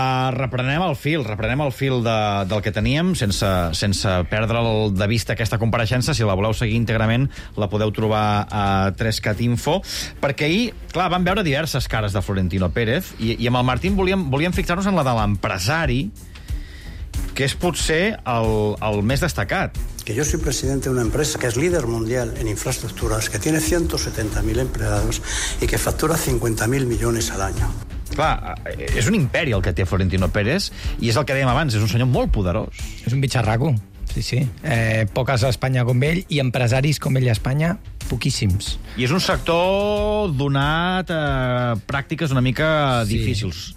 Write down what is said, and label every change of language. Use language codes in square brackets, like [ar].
[ca] Reprenem el fil del que teníem sense perdre'l de vista, aquesta compareixença. Si la voleu seguir íntegrament, la podeu trobar a 3cat.info, perquè ahir, clar, vam veure diverses cares de Florentino Pérez, i amb el Martín volíem fixar-nos en la de l'empresari, que és potser el més destacat. [es] Que yo soy presidente de una empresa que es líder mundial en infraestructuras, que tiene 170.000 empleados y que factura 50.000 millones al año. [ca] Clar, és un imperi el que té Florentino Pérez, i és el que dèiem abans, és un senyor molt poderós. És un bitxarraco, sí, sí. Poques a Espanya com ell, i empresaris com ell a Espanya, poquíssims. I és un sector donat a pràctiques una mica difícils.